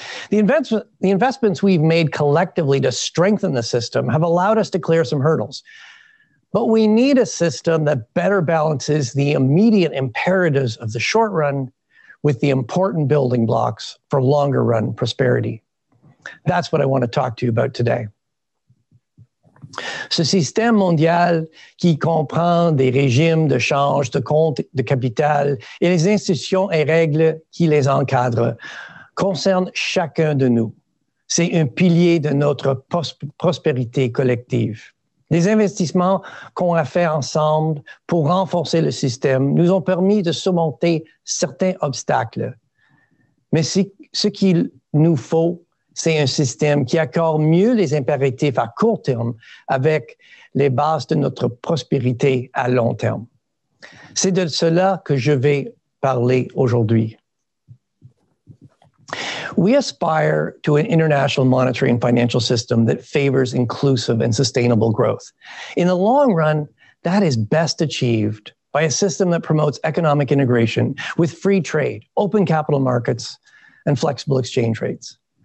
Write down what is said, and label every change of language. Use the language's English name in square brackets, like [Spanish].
[English] The investments we've made collectively to strengthen the system have allowed us to clear some hurdles. But we need a system that better balances the immediate imperatives of the short run with the important building blocks for longer run prosperity. That's what I want to talk to you about today. [French] Ce système mondial qui comprend des régimes de change de compte de capital et les institutions et règles qui les encadrent concerne chacun de nous. C'est un pilier de notre prospérité collective. Les investissements qu'on a fait ensemble pour renforcer le système nous ont permis de surmonter certains obstacles. Mais ce qu'il nous faut, c'est un système qui accorde mieux les impératifs à court terme avec les bases de notre prospérité à long terme. C'est de cela que je vais parler aujourd'hui. [English] We aspire to an international monetary and financial system that favors inclusive and sustainable growth. In the long run, that is best achieved by a system that promotes economic integration with free trade, open capital markets, and flexible exchange rates.